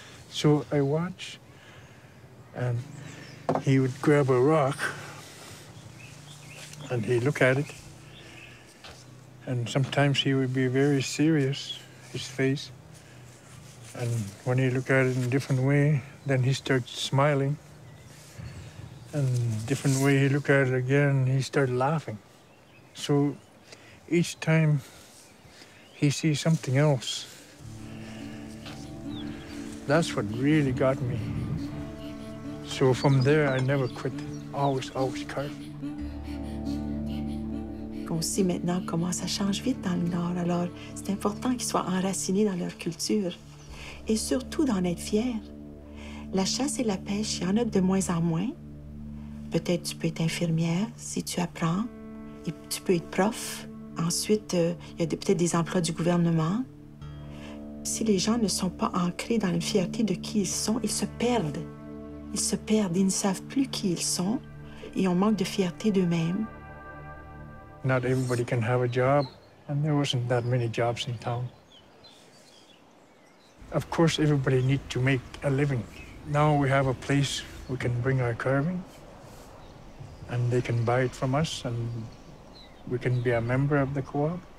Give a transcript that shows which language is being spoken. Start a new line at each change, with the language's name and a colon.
English: So I watch, and he would grab a rock, and he'd look at it, and sometimes he would be very serious, his face, and when he looked at it in a different way, then he started smiling, and different way he looked at it again, he started laughing. So each time he sees something else, that's what really got me. So from there, I never quit, always, always carve.
French: On sait maintenant comment ça change vite dans le Nord. Alors, c'est important qu'ils soient enracinés dans leur culture et surtout d'en être fiers. La chasse et la pêche, il y en a de moins en moins. Peut-être tu peux être infirmière si tu apprends. Et tu peux être prof. Ensuite, il y a peut-être des emplois du gouvernement. Si les gens ne sont pas ancrés dans la fierté de qui ils sont, ils se perdent. Ils se perdent, ils ne savent plus qui ils sont et on manque de fierté d'eux-mêmes.
English: Not everybody can have a job, and there wasn't that many jobs in town. Of course, everybody needs to make a living. Now we have a place we can bring our carving, and they can buy it from us, and we can be a member of the co-op.